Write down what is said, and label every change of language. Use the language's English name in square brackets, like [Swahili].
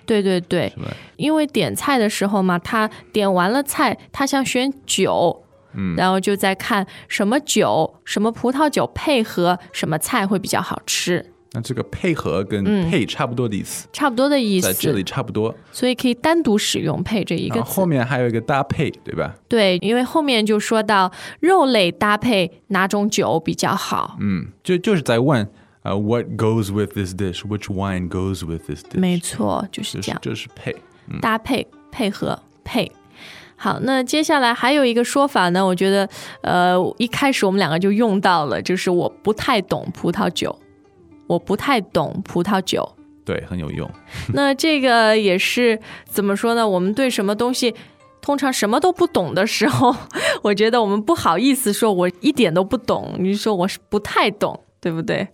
[Chinese] 对对对，因为点菜的时候嘛，他点完了菜他想选酒，然后就在看什么酒什么葡萄酒配合什么菜会比较好吃。那这个配合跟配差不多的意思、差不多的意思，在这里差不多，所以可以单独使用配这一个字。然后后面还有一个搭配，对吧？对，因为后面就说到肉类搭配哪种酒比较好。嗯，就是在问 [English] what goes with this dish, which wine goes with this dish。 [Chinese] 没错，就是这样，就是配、搭配配合配。好，那接下来还有一个说法呢，我觉得一开始我们两个就用到了，就是我不太懂葡萄酒。我不太懂葡萄酒。对，很有用。那这个也是怎么说呢，我们对什么东西通常什么都不懂的时候，我觉得我们不好意思说我一点都不懂，你说我是不太懂，对不对？